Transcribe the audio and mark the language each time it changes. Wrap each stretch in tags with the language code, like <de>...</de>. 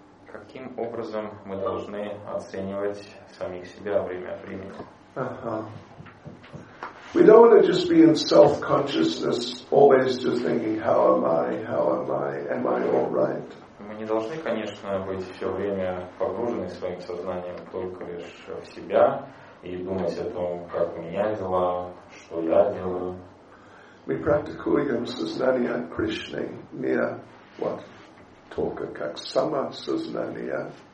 <ru>Каким образом мы должны оценивать самих себя время от времени?</ru> <en>We don't want to just be in self-consciousness, always just thinking, how am I all right?</en> <ru>Мы не должны, конечно, быть все время погружены своим сознанием только лишь в себя и думать о том, как у меня дела, что я делаю. Мы практикуем сознание Кришны, не вот только как самосознание.</ru>